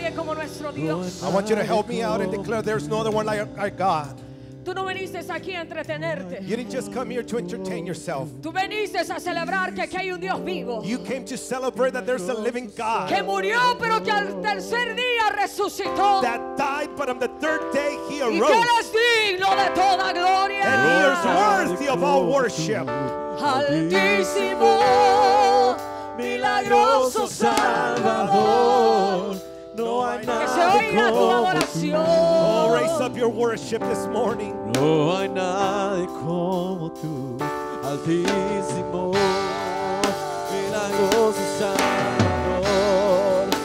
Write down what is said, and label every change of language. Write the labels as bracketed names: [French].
[English] I want you to help me out and declare there's no other one like our God. [Spanish] Tú no viniste aquí a entretenerte. [English] You didn't just come here to entertain yourself. [Spanish] Tú viniste a celebrar que aquí hay un Dios vivo. [English] You came to celebrate that there's a living God. [Spanish] Que murió, pero que al tercer día resucitó. [English] That died, but on the third day he arose. [Spanish] Y que él es digno de toda gloria. [English] And he is worthy of all worship. [Spanish] Altísimo, milagroso Salvador. No hay nadie como tú. [English] Oh, raise up your worship this morning. [Spanish] No hay nadie como tú, Altísimo, milagroso Salvador.